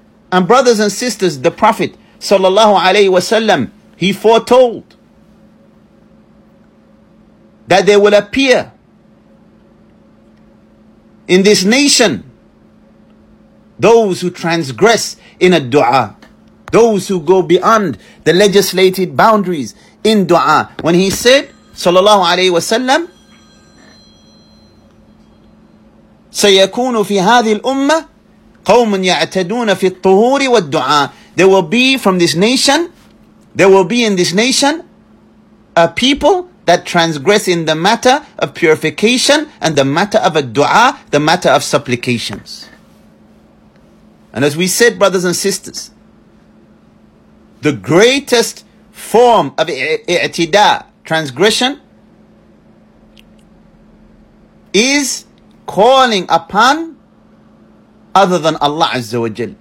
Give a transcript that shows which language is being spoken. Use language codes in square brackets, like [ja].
[en] And brothers and sisters, the Prophet sallallahu alaihi wasallam, he foretold that there will appear in this nation those who transgress in a dua, those who go beyond the legislated boundaries in dua. [ar] When he said sallallahu alaihi wasallam, سَيَكُونُ فِي هَذِهِ الْأُمَّةِ قَوْمٌ يَعْتَدُونَ فِي الطُّهُورِ وَالدُّعَاءِ. [en] There will be from this nation, there will be in this nation, a people that transgress in the matter of purification and the matter of a dua, the matter of supplications. And as we said, brothers and sisters, the greatest form of i'tida, transgression, is calling upon other than Allah Azza wa Jal.